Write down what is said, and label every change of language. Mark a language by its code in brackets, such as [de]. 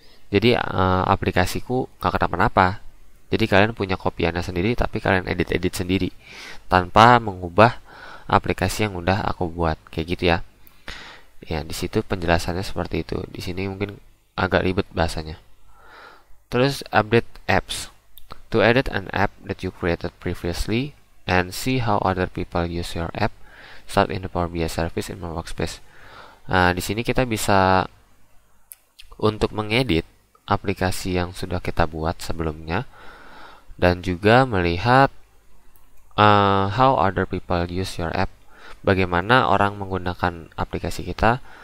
[id] Jadi aplikasiku nggak kenapa-napa. Jadi kalian punya kopiannya sendiri, tapi kalian edit-edit sendiri tanpa mengubah aplikasi yang udah aku buat, kayak gitu ya. Ya, di situ penjelasannya seperti itu. Di sini mungkin agak ribet bahasanya. Terus [en] update apps. To edit an app that you created previously and see how other people use your app, start in the Power BI service in my workspace. [id] Nah, di sini kita bisa untuk mengedit aplikasi yang sudah kita buat sebelumnya dan juga melihat [en] how other people use your app. [id] Bagaimana orang menggunakan aplikasi kita?